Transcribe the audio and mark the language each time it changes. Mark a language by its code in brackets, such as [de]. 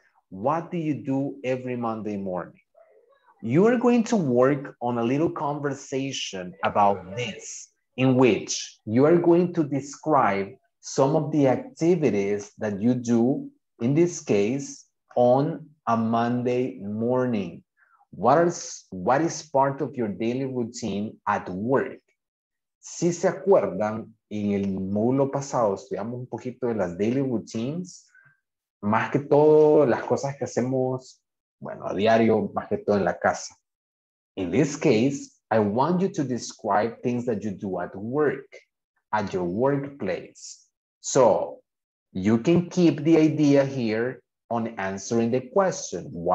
[en] What do you do every Monday morning? You are going to work on a little conversation about this, in which you are going to describe some of the activities that you do, in this case, on a Monday morning. What is part of your daily routine at work? [es] Si se acuerdan, en el módulo pasado estudiamos un poquito de las daily routines, más que todo las cosas que hacemos, bueno, a diario, más que todo en la casa. [en] In this case, I want you to describe things that you do at work, at your workplace. So, you can keep the idea here on answering the question.